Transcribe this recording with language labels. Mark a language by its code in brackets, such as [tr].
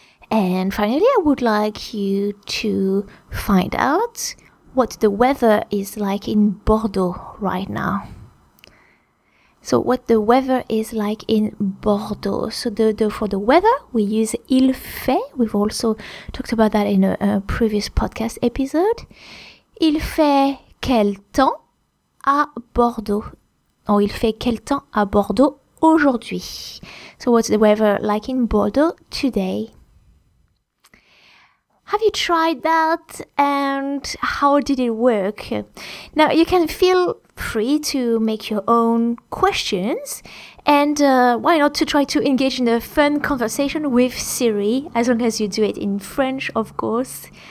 [en] And finally, I would like you to find out what the weather is like in Bordeaux right now. So what the weather is like in Bordeaux. So for the weather, we use il fait. We've also talked about that in a previous podcast episode. [fr] Il fait quel temps à Bordeaux? Or il fait quel temps à Bordeaux aujourd'hui? [en] So what's the weather like in Bordeaux today? Have you tried that, and how did it work? Now, you can feel free to make your own questions, and why not to try to engage in a fun conversation with Siri, as long as you do it in French, of course.